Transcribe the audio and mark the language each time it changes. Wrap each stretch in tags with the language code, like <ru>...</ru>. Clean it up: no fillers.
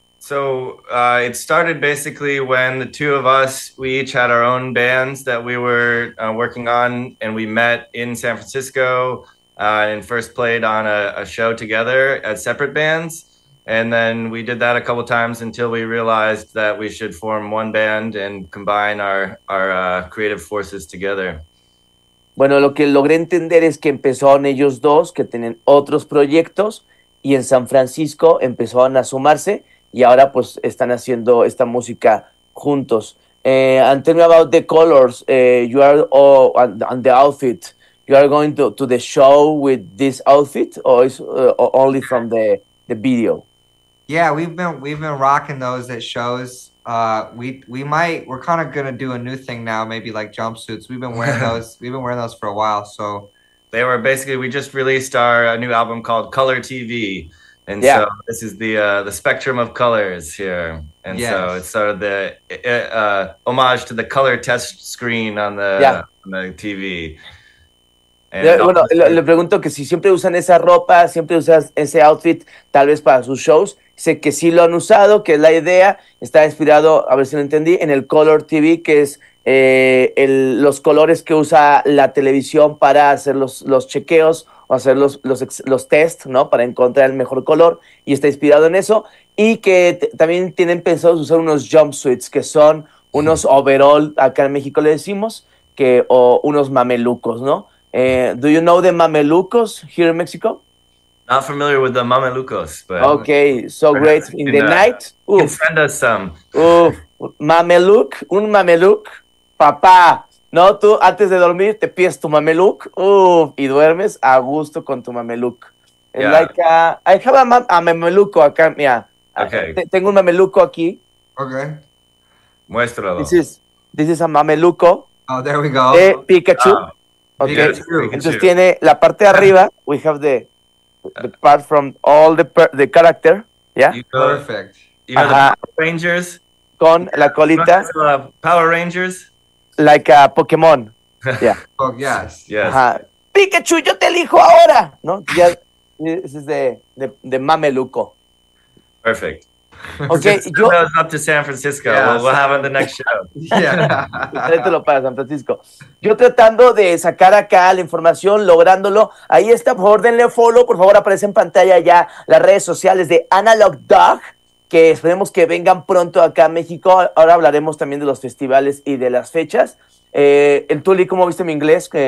<en>So it started basically when the two of us, we each had our own bands that we were working on, and we met in San Francisco and first played on a show together as separate bands. And then we did that a couple times until we realized that we should form one band and combine our creative forces together.</en> <es>Bueno, lo que logré entender es que empezaron ellos dos, que tienen otros proyectos, y en San Francisco empezaron a sumarse, y ahora pues están haciendo esta música juntos.</es> <en>And tell me about the colors. You are and the outfit. You are going to the show with this outfit, or is only from the video? Yeah, we've been rocking those at shows. We're kind of gonna do a new thing now, maybe like jumpsuits. We've been wearing those for a while. So they were basically, we just released our new album called Color TV, and yeah. So this is the spectrum of colors here, and yes. So it's sort of the homage to the color test screen on the on the TV.</en> <es>Bueno, le pregunto que si siempre usan esa ropa, siempre usas ese outfit, tal vez para sus shows. Sé que sí lo han usado, que es la idea, está inspirado, a ver si lo entendí, en el Color TV, que es los colores que usa la televisión para hacer los chequeos o hacer los test, ¿no? Para encontrar el mejor color, y está inspirado en eso. Y que también tienen pensado usar unos jumpsuits, que son unos overall, acá en México le decimos, que o unos mamelucos, ¿no?</es> <en>Do you know the mamelucos here in Mexico? Not familiar with the mamelucos, but okay, so great in the night. You can send us some.</en> <es>Mameluk, un mameluk, papá. No, tú antes de dormir te pides tu mameluk, y duermes a gusto con tu mameluk.</es> <en>Yeah. Like I have a mameluco</en> <es>acá, mira.</es> <en>Okay.</en> <es>Tengo un mameluco aquí.</es> <en>Okay.</en> <es>Muéstralo.</es> <en>This is a mameluco. Oh, there we go.</en> <es>De Pikachu. Oh.</es> <en>Okay. Pikachu.</en> <es>Entonces tiene la parte de arriba.</es> <en>We have the part from all the character. Yeah. Perfect. You know the Power Rangers.</en> <es>Con la colita.</es> <en>Power Rangers. Like a Pokémon. Yeah. Oh, yes. Yes.</en> <es>Pikachu, yo te elijo ahora. No.</es> <en>Yeah. This is the mameluco. Perfect. Okay. Goes up to San Francisco. Yeah. We'll have on the next show.</en> <es>Yeah. Trátelo para San Francisco. Yo tratando de sacar acá la información, lográndolo. Ahí está, por favor, denle follow. Por favor, aparece en pantalla ya las redes sociales de Analog Dog, que esperemos que vengan pronto acá a México. Ahora hablaremos también de los festivales y de las fechas. El Tuli, ¿cómo viste mi inglés?</es>